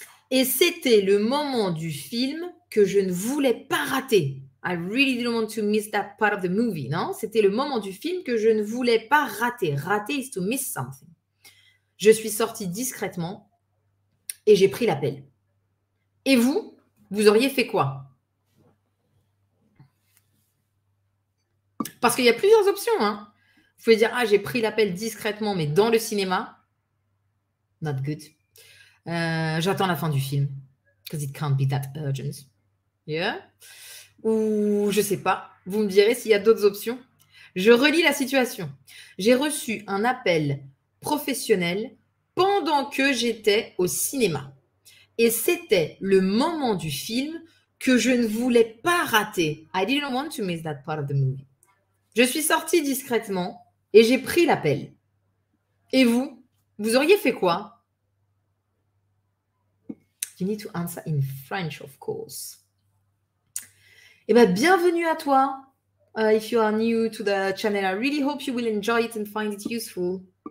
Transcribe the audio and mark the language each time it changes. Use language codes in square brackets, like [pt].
[fr] Et c'était le moment du film que je ne voulais pas rater. [en] I really didn't want to miss that part of the movie, non? [fr] C'était le moment du film que je ne voulais pas rater. Rater [en] is to miss something. [fr] Je suis sortie discrètement. Et j'ai pris l'appel. Et vous auriez fait quoi? Parce qu'il y a plusieurs options. Hein. Vous pouvez dire, ah, j'ai pris l'appel discrètement, mais dans le cinéma. [en] Not good. [fr] J'attends la fin du film. [en] Because it can't be that urgent. Yeah? [fr] Ou je ne sais pas. Vous me direz s'il y a d'autres options. Je relis la situation. J'ai reçu un appel professionnel pendant que j'étais au cinéma. Et c'était le moment du film que je ne voulais pas rater. [en] I didn't want to miss that part of the movie. [fr] Je suis sortie discrètement et j'ai pris l'appel. Et vous auriez fait quoi? [en] You need to answer in French, of course. [fr] Eh bien, bienvenue à toi. [en] If you are new to the channel, I really hope you will enjoy it and find it useful.